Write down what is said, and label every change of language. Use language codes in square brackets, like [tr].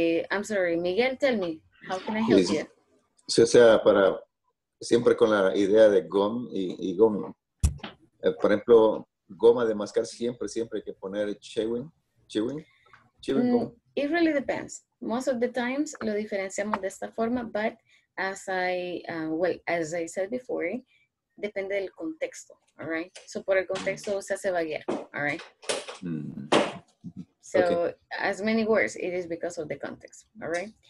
[en] I'm sorry, Miguel, tell me, how can I help you? [es] Sí, o sea, para. Siempre con la idea de gum y goma. Por ejemplo, goma de mascar, siempre hay que poner chewing gum. [en] It really depends. Most of the times [es] lo diferenciamos de esta forma, [en] but as I, well, as I said before, [es] depende del contexto, [en] all right? [es] So por el contexto usa cebaguera, [en] all right? Mm. So okay. As many words, it is because of the context, all right?